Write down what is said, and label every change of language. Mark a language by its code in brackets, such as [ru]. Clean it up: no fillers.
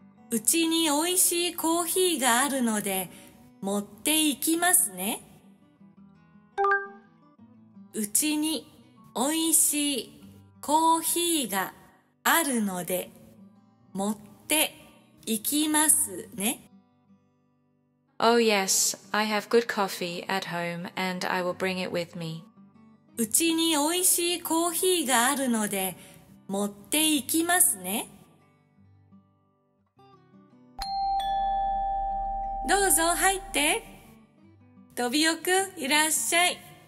[ja] うちに美味しいコーヒーがあるので持って行きますね。うちに美味しいコーヒーがあるので持って行きますね。 [en] Oh yes, I have good coffee at home and I will bring it with me. [ja] うちに美味しいコーヒーがあるので持って行きますね。どうぞ入って。トビオくん、いらっしゃい。